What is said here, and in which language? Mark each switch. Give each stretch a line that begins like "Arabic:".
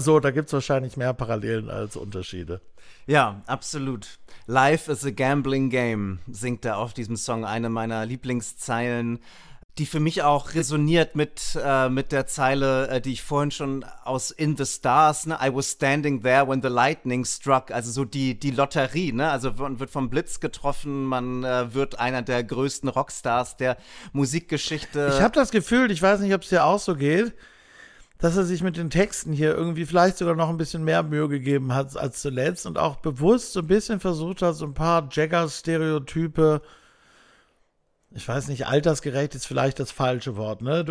German: So, da gibt es wahrscheinlich mehr Parallelen als Unterschiede. Ja, absolut.
English: Life is a gambling game,
German: singt er auf diesem Song. Eine meiner Lieblingszeilen, die für mich auch resoniert mit der Zeile, die ich vorhin schon aus In the Stars, ne?
English: I was standing there when the lightning struck,
German: also so die Lotterie, ne? Also man wird vom Blitz getroffen, man wird einer der größten Rockstars der Musikgeschichte. Ich habe das Gefühl, ich weiß nicht, ob es dir auch so geht, dass er sich mit den Texten hier irgendwie vielleicht sogar noch ein bisschen mehr Mühe gegeben hat als zuletzt und auch bewusst so ein bisschen versucht hat, so ein paar Jagger-Stereotype, ich weiß nicht, altersgerecht ist vielleicht das falsche Wort, ne?